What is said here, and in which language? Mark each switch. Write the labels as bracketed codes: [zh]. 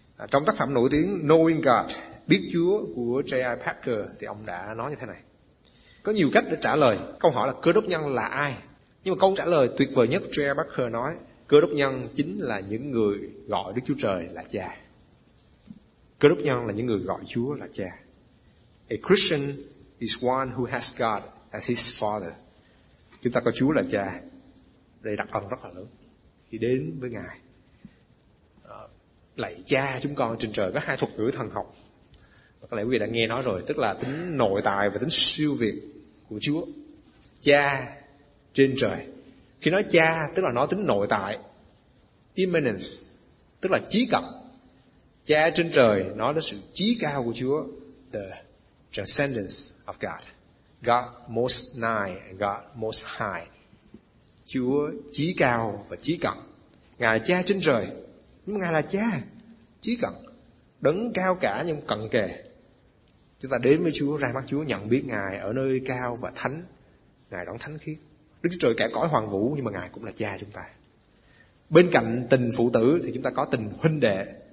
[vi] Trong tác phẩm nổi tiếng Knowing God, Biết Chúa của J.I. Packer, thì ông đã nói như thế này. Có nhiều cách để trả lời câu hỏi là cơ đốc nhân là ai. Nhưng mà câu trả lời tuyệt vời nhất, J.I. Packer nói, cơ đốc nhân chính là những người gọi Đức Chúa Trời là cha. Cơ đốc nhân là những người gọi Chúa là cha. [en] A Christian is one who has God as his father. [vi] Chúng ta có Chúa là cha. Đây đặc ân rất là lớn. Khi đến với Ngài, lạy cha chúng con trên trời, có hai thuật ngữ thần học. Có lẽ quý vị đã nghe nói rồi, tức là tính nội tại và tính siêu việt của Chúa. Cha trên trời. Khi nói cha, tức là nói tính nội tại. Immanence, tức là chí cập. Cha trên trời nói đến sự chí cao của Chúa. [en] The transcendence of God. God most nigh and God most high. [vi] Chúa chí cao và chí cận. Ngài cha trên trời, nhưng mà Ngài là cha chí cận, đấng cao cả nhưng cận kề. Chúng ta đến với Chúa, ra mắt Chúa, nhận biết Ngài ở nơi cao và thánh. Ngài đón thánh khiết. Đức Chúa Trời cả cõi hoàng vũ, nhưng mà Ngài cũng là cha chúng ta. Bên cạnh tình phụ tử thì chúng ta có tình huynh đệ.